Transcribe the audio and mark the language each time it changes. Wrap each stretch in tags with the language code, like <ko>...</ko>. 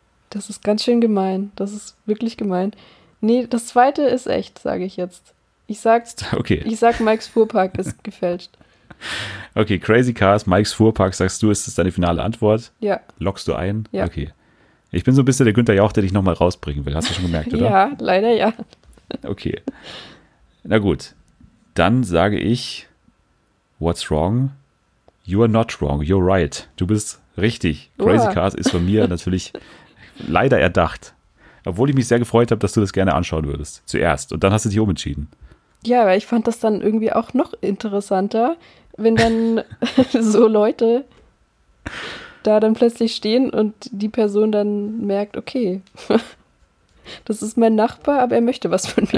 <de>Das ist ganz schön gemein. Das ist wirklich gemein. Nee, das zweite ist echt, sage ich jetzt. Ich sag, Mikes Fuhrpark ist gefälscht. Okay, Crazy Cars, Mikes Fuhrpark, sagst du, ist das deine finale Antwort? Ja. Lockst du ein? Ja. Okay. Ich bin so ein bisschen der Günther Jauch, der dich nochmal rausbringen will. Hast du schon gemerkt, oder? Ja, leider ja. Okay. Na gut. Dann sage ich,</de> <en>what's wrong? You are not wrong. You're right.</en> <de>Du bist richtig. Crazy Cars ist von mir natürlich... Leider erdacht. Obwohl ich mich sehr gefreut habe, dass du das gerne anschauen würdest. Zuerst. Und dann hast du dich umentschieden. Ja, aber ich fand das dann irgendwie auch noch interessanter, wenn dann so Leute da dann plötzlich stehen und die Person dann merkt, okay, das ist mein Nachbar, aber er möchte was von mir.</de>